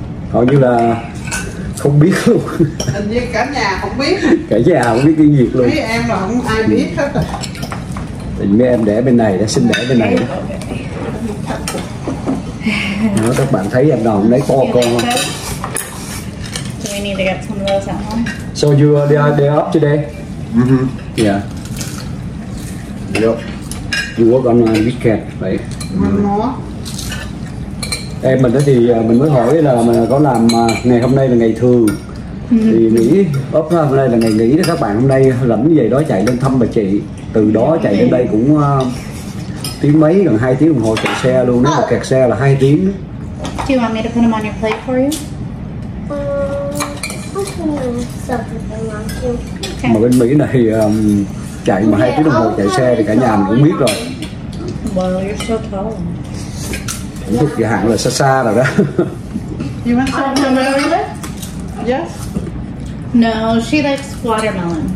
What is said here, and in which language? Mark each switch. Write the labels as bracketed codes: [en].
[vi] Hầu như là không biết luôn. Hình như cả nhà không biết. Cả nhà không biết tiếng Việt luôn. Mấy em là không ai biết hết. Mấy em đẻ bên này, đã sinh đẻ bên này. Đó, các bạn thấy em nào cũng lấy to con không? [en] Do we need to get some of those at home? So you are the day off today? Mm-hmm. Yeah. Yep. You work on a weekend, right? Mm-hmm. [vi] Em mình thì mình mới hỏi là mình có làm ngày hôm nay là ngày thường. Thì nghỉ, ốp hôm nay là ngày nghỉ đó các bạn. Hôm nay lẫm như vậy đó chạy lên thăm bà chị. Từ đó chạy lên đây cũng tiếng mấy, gần 2 tiếng đồng hồ chạy xe luôn. Nếu mà kẹt xe là 2 tiếng. [en] Do you want me to put them on your plate for you? I'll put them on your plate for you. [vi] Mà bên Mỹ này chạy mà 2 tiếng đồng hồ chạy xe thì cả nhà mình cũng biết rồi. [en] Well, you're so tall. [vi] Cũng thuộc dự hạn là xa xa rồi đó. [en] You want some strawberry? Yes? No, she likes watermelon.